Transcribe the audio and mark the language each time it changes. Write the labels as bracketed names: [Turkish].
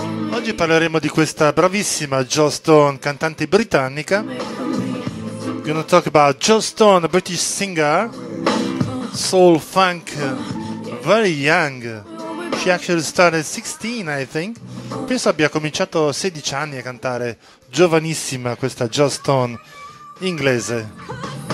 [Italian] Oggi parleremo di questa bravissima Joss Stone, cantante britannica. [English] We're gonna talk about Joss Stone, a British singer, soul funk, very young. She actually started 16, I think. [Italian] Penso abbia cominciato 16 anni a cantare, giovanissima questa Joss Stone inglese.